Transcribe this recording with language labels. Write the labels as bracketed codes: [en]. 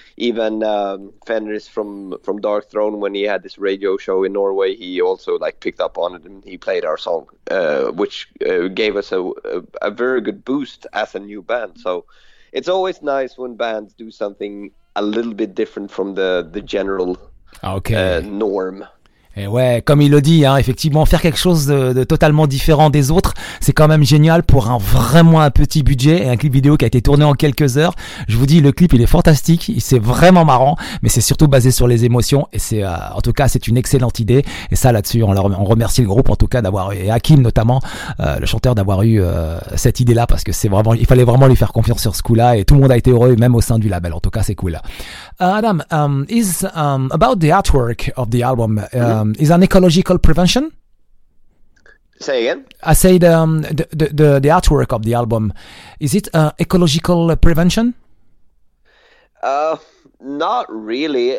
[en] Even Fenris from Dark Throne, when he had this radio show in Norway, he also like picked up on it and he played our song, which gave us a very good boost as a new band. So it's always nice when bands do something a little bit different from the general norm. [fr] Et ouais, comme il le dit, hein, effectivement, faire quelque chose de totalement différent des autres, c'est quand même génial pour un vraiment un petit budget et un clip vidéo qui a été tourné en quelques heures. Je vous dis, le clip, il est fantastique, c'est vraiment marrant, mais c'est surtout basé sur les émotions et c'est, en tout cas, c'est une excellente idée. Et ça, là-dessus, on remercie le groupe, en tout cas, d'avoir eu, et Hakim, notamment, le chanteur, d'avoir eu cette idée-là, parce que c'est vraiment, il fallait vraiment lui faire confiance sur ce coup-là et tout le monde a été heureux, même au sein du label. En tout cas, c'est cool. [en] Adam, is about the artwork of the album. Is an ecological prevention? Say again. I said the artwork of the album. Is it ecological prevention? Not really.